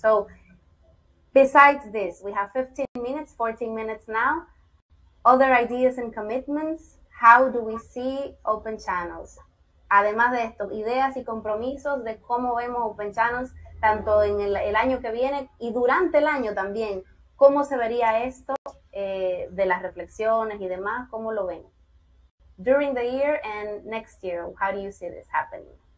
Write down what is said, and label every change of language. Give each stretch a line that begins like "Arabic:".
English: So besides this, we have 14 minutes now. Other ideas and commitments, how do we see Open Channels?
Spanish: Además de esto, ideas y compromisos de cómo vemos Open Channels tanto en el año que viene y durante el año también, cómo se vería esto de las reflexiones y demás, cómo lo ven.
English: During the year and next year, how do you see this happening?